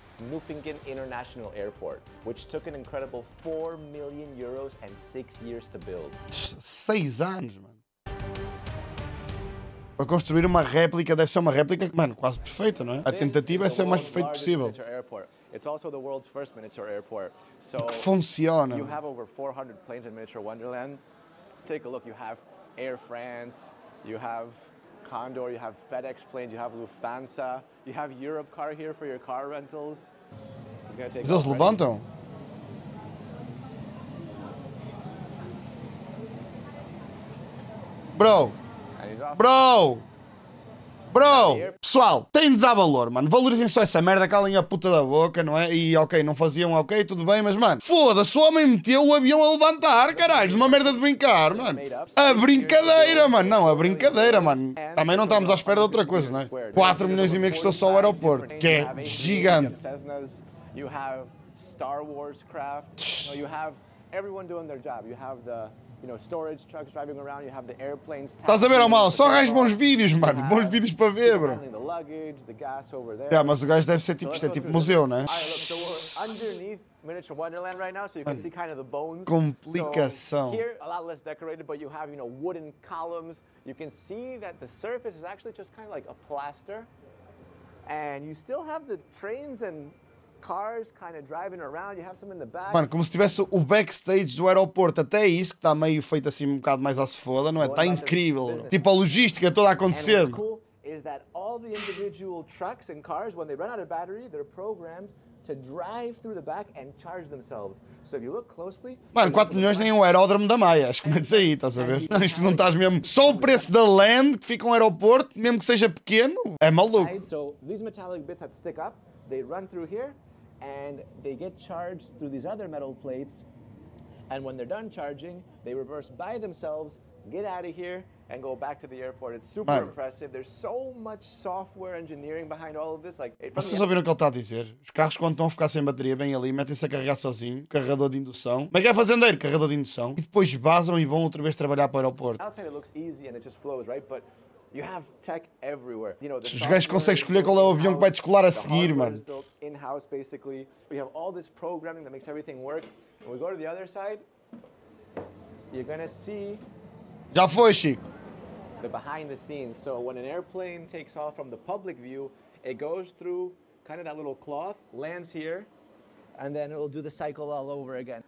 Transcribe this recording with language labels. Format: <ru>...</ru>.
<en>Nufingen International Airport, which took an incredible 4 million euros and 6 years to build.</en> <pt>6 anos, mano. Para construir uma réplica, deve ser uma réplica, mano, quase perfeita, não é? A tentativa é ser o mais perfeito possível.</pt> <en>It's also the world's first miniature airport. So</en> <pt>que funciona.</pt> <en>You have over 400 planes in Miniature Wonderland. Take a look, you have Air France, you have Condor, you have FedEx planes, you have Lufthansa, you have Europe Car here for your car rentals.</en> <pt>Mas eles levantam?</pt> <en>Bro! Bro! Bro!</en> <pt>Pessoal, tem de dar valor, mano. Valorizem só essa merda, calem a puta da boca, não é? E ok, não faziam ok, tudo bem, mas mano, foda-se, o homem meteu o avião a levantar, caralho, de uma merda de brincar, mano. A brincadeira, mano. Não, a brincadeira, mano. Também não estamos à espera de outra coisa, não é? 4 milhões e meio custou só o aeroporto, que é gigante.</pt> <en>You have Star Wars craft, you have everyone doing their job, you have the... You know, storage trucks driving around, you have the airplanes...</en> <pt>Estás a ver, mal? Só gajos bons vídeos, mano. Bons vídeos para ver, bro.</pt> <en>The luggage, the gas over there.</en> <pt>Yeah, mas o gajo deve ser tipo, isto é tipo museu, né?</pt> <en>So we're underneath Miniature Wonderland right now, so you can see kind of the bones.</en> <pt>Complicação.</pt> <en>So here, a lot less decorated, but you have, you know, wooden columns. You can see that the surface is actually just kind of like a plaster. And you still have the trains and... Cars kind of driving around, you have some in the back.</en> <pt>Mano, como se tivesse o backstage do aeroporto, até isso que está meio feito assim um bocado mais à se foda, não é? Está incrível. Tipo a logística toda a acontecer.</pt> <en>And what's cool is that all the individual trucks and cars, when they run out of battery, they're programmed to drive through the back and charge themselves. So if you look closely...</en> <pt>Mano, 4 milhões nem um aeródromo da Maia. Acho que não é isso aí, estás a ver? Acho que não estás mesmo... Só o preço da land que fica um aeroporto, mesmo que seja pequeno, é maluco.</pt> <en>So these metallic bits that stick up, they run through here, and they get charged through these other metal plates, and when they're done charging, they reverse by themselves, get out of here, and go back to the airport. It's super impressive. There's so much software engineering behind all of this. Like,</en> <pt>vocês ouviram o que ele está a dizer? Os carros, quando estão a ficar sem bateria, vêm ali, metem-se a carregar sozinho, carregador de indução. Mas é fazendeiro, carregador de indução. E depois vazam e vão outra vez trabalhar para o aeroporto.</pt> <en>Outside it looks easy and it just flows, right? But you have tech everywhere. You know, the</en> <pt>os gajos conseguem escolher qual é o avião que vai descolar a seguir, mano.</pt> <en>In-house, basically. We have all this programming that makes everything work. When we go to the other side, you're gonna see...</en> <pt>Já foi, Chico.</pt> <en>The behind the scenes. So when an airplane takes off from the public view, it goes through kind of that little cloth, lands here, and then it'll do the cycle all over again.</en>